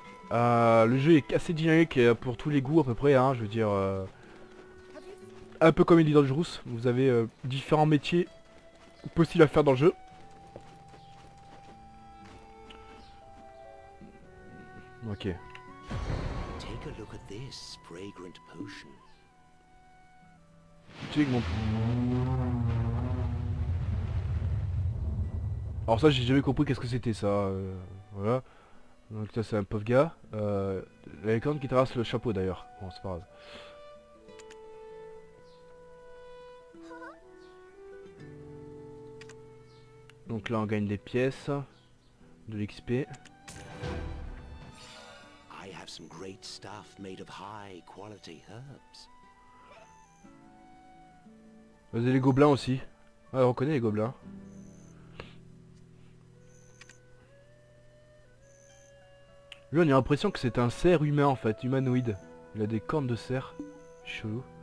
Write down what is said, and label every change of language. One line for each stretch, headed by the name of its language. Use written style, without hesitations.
French: Le jeu est assez dynamique pour tous les goûts à peu près, hein, je veux dire... un peu comme il dit dans le jeu, vous avez différents métiers possibles à faire dans le jeu. Ok.
English: Take a look at this fragrant potion.
French: Alors ça, j'ai jamais compris qu'est-ce que c'était ça. Voilà. Donc ça, c'est un pauvre gars. La licorne qui traverse le chapeau d'ailleurs. Bon, c'est pas grave. Donc là on gagne des pièces, de l'XP.
English: I have some great stuff made of high quality herbs.
French: Vous avez les gobelins aussi. Ah, on reconnaît les gobelins. Lui on a l'impression que c'est un cerf humain en fait, humanoïde. Il a des cornes de cerf. Chelou.